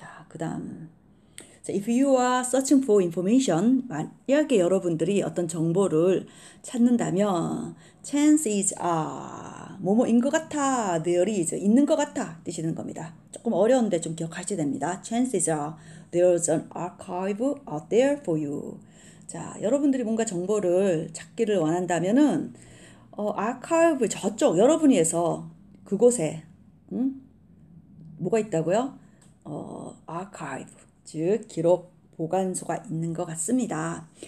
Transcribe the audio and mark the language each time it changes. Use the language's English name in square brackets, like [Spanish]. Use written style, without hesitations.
[Korean] 자, 그다음. 자, [English] if you are searching for information, [Korean] 만약에 여러분들이 어떤 정보를 찾는다면, [English] chances are [Korean] 뭐뭐인 것 같아, [English] there is [Korean] 있는 것 같아 뜻이 되는 겁니다. 조금 어려운데 좀 기억하셔야 됩니다. [English] Chances are there's an archive out there for you. [Korean] 자, 여러분들이 뭔가 정보를 찾기를 원한다면은 archive 저쪽 여러분이 해서 그곳에 뭐가 있다고요? [English] Archive. [Korean] 즉, 기록 보관소가 있는 것 같습니다.